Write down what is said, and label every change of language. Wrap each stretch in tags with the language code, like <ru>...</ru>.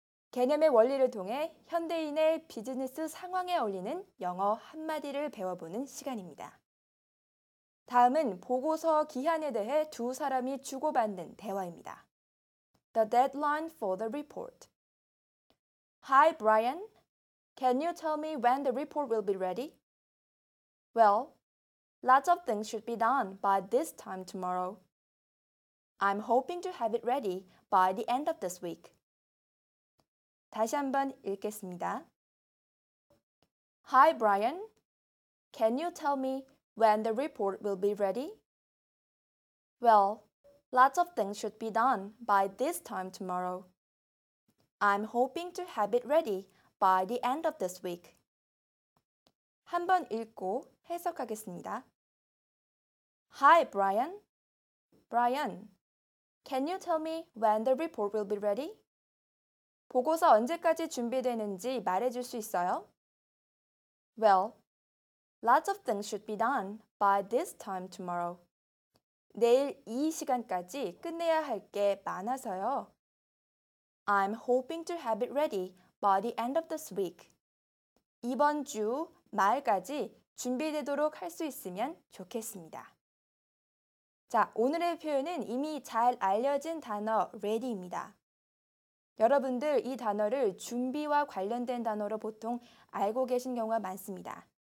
<ko>개념의 원리를 통해 현대인의 비즈니스 상황에 어울리는 영어 한마디를 배워보는 시간입니다. 다음은 보고서 기한에 대해 두 사람이 주고받는 대화입니다.</ko> <en>The deadline for the report. Hi, Brian. Can you tell me when the report will be ready? Well, lots of things should be done by this time tomorrow. I'm hoping to have it ready by the end of this week.</en> <ko>다시 한번 읽겠습니다.</ko> <en>Hi, Brian. Can you tell me when the report will be ready? Well, lots of things should be done by this time tomorrow. I'm hoping to have it ready by the end of this week.</en> <ko>한번 읽고 해석하겠습니다.</ko> <en>Hi, Brian. Brian, can you tell me when the report will be ready?</en> <ko>보고서 언제까지 준비되는지 말해줄 수 있어요?</ko> <en>Well, lots of things should be done by this time tomorrow.</en> <ko>내일 이 시간까지 끝내야 할 게 많아서요.</ko> <en>I'm hoping to have it ready by the end of this week.</en> <ko>이번 주 말까지 준비되도록 할 수 있으면 좋겠습니다. 자, 오늘의 표현은 이미 잘 알려진 단어 ready입니다. 여러분들 이 단어를 준비와 관련된 단어로 보통 알고 계신 경우가 많습니다.</ko>